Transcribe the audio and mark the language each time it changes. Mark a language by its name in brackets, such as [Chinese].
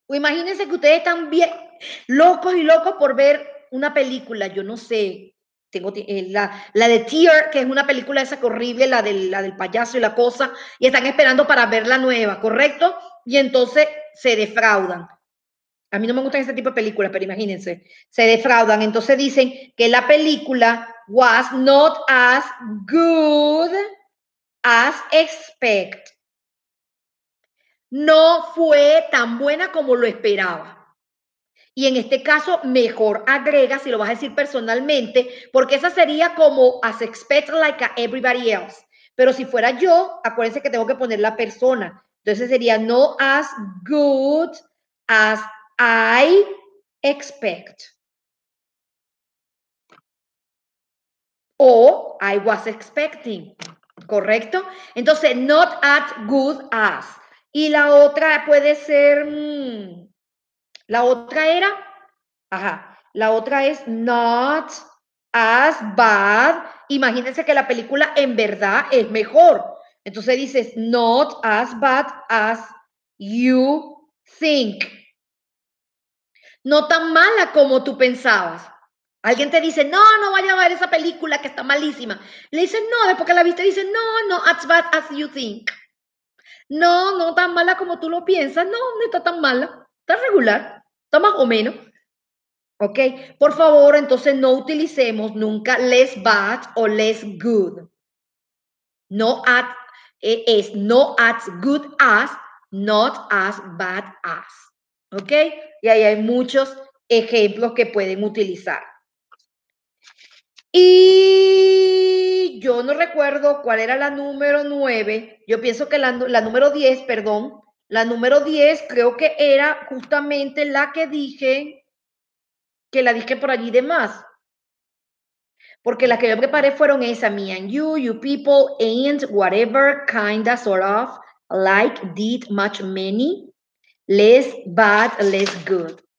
[Spanish] Imagínense que ustedes están bien locos y locos por ver una película. Yo no sé, tengo la de Tear, que es una película esa horrible, la del payaso y la cosa, y están esperando para ver la nueva, ¿correcto? Y entonces se defraudan. A mí no me gustan ese tipo de películas, pero imagínense, se defraudan. Entonces dicen que la película [English] was not as good as expect. [Spanish] No fue tan buena como lo esperaba. Y en este caso, mejor agrega si lo vas a decir personalmente, porque esa sería como [English] as expect like a everybody else. [Spanish] Pero si fuera yo, acuérdense que tengo que poner la persona. Entonces sería no [English] as good as I expect. O I was expecting. ¿Correcto? Entonces, not as good as. [Spanish] Y la otra puede ser, la otra era, ajá, la otra es not as bad. Imagínense que la película en verdad es mejor. Entonces dices, [English] not as bad as you think. [Spanish] No tan mala como tú pensabas. Alguien te dice, no, no vaya a ver esa película que está malísima. Le dicen, no, después que la viste, dice, no, no [English] as bad as you think. [Spanish] No, no tan mala como tú lo piensas. No, no está tan mala. Está regular. Está más o menos. Ok. Por favor, entonces no utilicemos nunca less bad o less good. No at, es no as good as, not as bad as. Ok. Y ahí hay muchos ejemplos que pueden utilizar. Y yo no recuerdo cuál era la número 9. Yo pienso que la número 10, perdón, la número 10 creo que era justamente la que dije, que la dije por allí de más. Porque las que yo preparé fueron esa, [English] me and you people ain't whatever kinda sort of like did much many less bad, less good.